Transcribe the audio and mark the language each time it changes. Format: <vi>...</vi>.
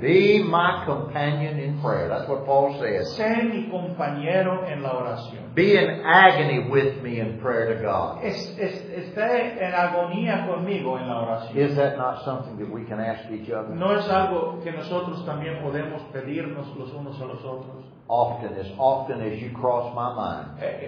<en>Be my companion in prayer. That's what Paul says.</en> <es>Sé mi compañero en la oración.</es> <en>Be in agony with me in prayer to God.</en> <es>Esté en agonía conmigo en la oración.</es> <en>Is that not something that we can ask each other?</en> <es>¿No es algo que nosotros también podemos pedirnos los unos a los otros?</es> <en>Often as you cross my mind,</en>